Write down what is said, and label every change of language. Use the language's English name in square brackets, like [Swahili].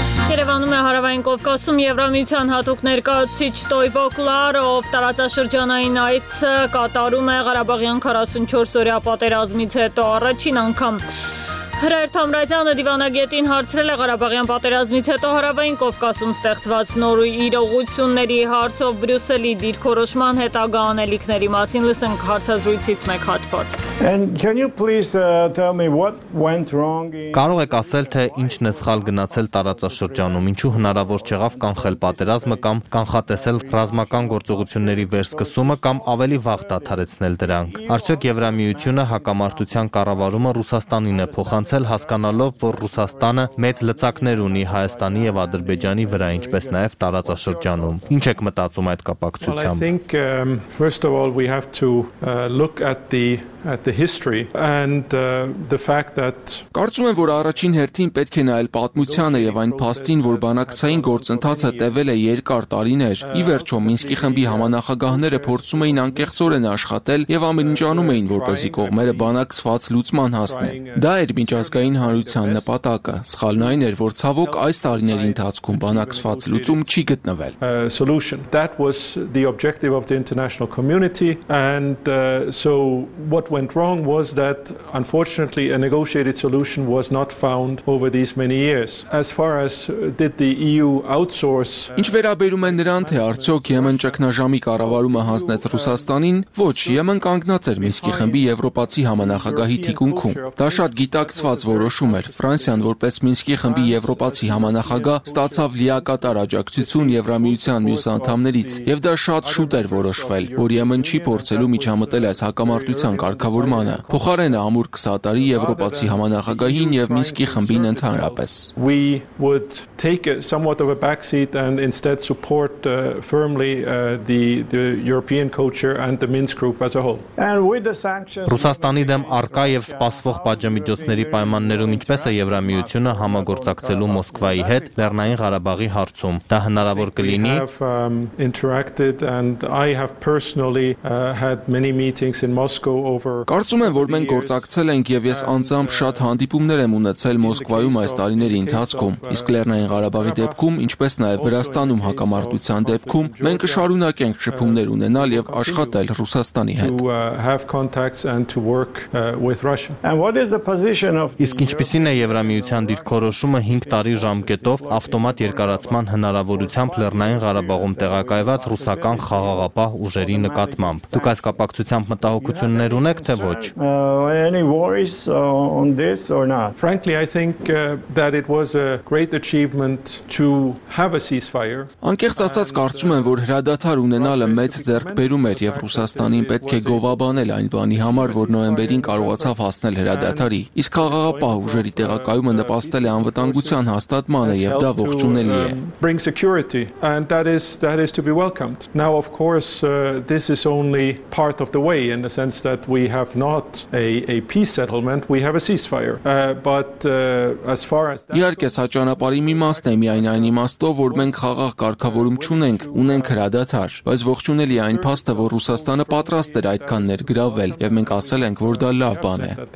[Armenian] Երևանում է հարավային Կովկասում Եվրամիության հատուկ ներկայացուցիչ Տոյվո Կլարը, ով տարածաշրջանային այց կատարում է Ղարաբաղյան 44-օրյա պատերազմից հետո առաջին անգամ։ Հրայր Թամրայցյանը դիվանագետին հարցրել է Ղարաբաղյան պատերազմից հետո Հարավային Կովկասում ստեղծված նոր իրողությունների հարցով Բրյուսելի դիրքորոշման հետագա անելիքների մասին լսենք հարցազրույցից մեկ հատված։ [English] And can you please tell me what went wrong in [Armenian] Կարող եք ասել, թե ինչն է սխալ գնացել տարածաշրջանում, ինչու հնարավոր չեղավ կանխել պատերազմը կամ կանխատեսել ռազմական գործողությունների վերսկսումը կամ ավելի վաղ դադարեցնել դրանք։ Արդյոք Եվրամիությունը հակամարտության կառավարումը Ռուսաստանին է փոխանցել, հասկանալով, որ Ռուսաստանը մեծ լծակներ ունի Հայաստանի եւ Ադրբեջանի վրա, ինչպես նաեւ տարածաշրջանում։ Ինչ եք մտածում այդ կապակցությամբ։ [English] First of all, we have to look at the history and the fact that [Armenian] Կարծում եմ, որ առաջին հերթին պետք է նայել պատմությանը եւ այն փաստին, որ բանակցային գործընթացը տևել է երկար տարիներ։ Ի վերջո Մինսկի խմբի համանախագահները փորձում էին անկեղծորեն աշխատել եւ ամենիջանում էին, որպեսզի կողմերը բանակցված լուծման հասնեն։ Դա էր միջազգային հանրության նպատակը։ Սխալն այն էր, որ ցավոք այս տարիների ընթացքում բանակցված լուծում չի գտնվել։ [English] That was the objective of the international community and so what went wrong was that unfortunately a negotiated solution was not found over these many years as far as did the EU outsource [Armenian] Ինչ վերաբերում է նրան, թե արդյոք Եմեն ճգնաժամի կառավարումը հանձնեց Ռուսաստանին, ոչ, Եմեն կանգնած էր Մինսկի խմբի Եվրոպացի համանախագահի թիկունքում։ Դա շատ գիտակցված որոշում էր։ Ֆրանսիան, որպես Մինսկի խմբի Եվրոպացի համանախագահ, ստացավ լիակատար աջակցություն Եվրամիության մյուս անդամներից, եւ դա շատ շուտ էր որոշվել, որ Եմեն չի փորձելու միջամտել այս հակամարտության կարգավորմանը։ Փոխարենը ամուր կսատարի Եվրոպացի համանախագահին եւ Մինսկի խմբին ընդհանրապես։ [English] We would take somewhat of a back seat and instead support firmly the European culture and the Minsk group as a whole. And with the [Armenian] sanctions Ռուսաստանի դեմ արկա եւ սպասվող պատժամիջոցների պայմաններում ինչպես է Եվրամիությունը համագործակցելու Մոսկվայի հետ Լեռնային Ղարաբաղի հարցում։ Դա հնարավոր կլինի։ Կարծում եմ, որ մենք գործակցել ենք եւ ես անձամբ շատ հանդիպումներ եմ ունեցել Մոսկվայում այս տարիների ընթացքում։ Իսկ Լեռնային Ղարաբաղի դեպքում, ինչպես նաեւ Վրաստանում հակամարտության դեպքում, մենք կշարունակենք շփումներ ունենալ եւ աշխատել Ռուսաստանի հետ։ [English] And what is the position of [Armenian] Իսկ ինչպեսին է Եվրամիության դիրքորոշումը 5 տարի ժամկետով ավտոմատ երկարացման հնարավորությամբ Լեռնային Ղարաբաղում տեղակայված ռուսական խաղաղապահ ուժերի նկատմամբ։ Դուք այս կապակցությամբ մտահոգություններ ունեք, թե ոչ։ [English] Any worries on this or not? Frankly, I think that it was a great achievement to have a ceasefire. [Armenian] Անկեղծ ասած, կարծում եմ, որ հրադադար ունենալը մեծ ձեռքբերում էր եւ Ռուսաստանին պետք է գովաբանել այն բանի համար, որ նոյեմբերին կարողացավ հասնել հրադադարի։ Իսկ խաղաղապահ ուժերի տեղակայումը նպաստել է անվտանգության հաստատմանը եւ դա ողջունելի է։ [English] Bring security and that is to be welcomed. Now of course this is only part of the way in the sense that we have not a peace settlement, we have a ceasefire. As far as that [Armenian] Իհարկե սա ճանապարհի մի մասն է, միայն այն իմաստով, որ մենք խաղաղ կարգավորում չունենք, ունենք հրադադար, բայց ողջունելի այն փաստը, որ Ռուսաստանը պատրաստ էր այդքան ներգրավել եւ մենք ասել ենք, որ դա լավ բան է։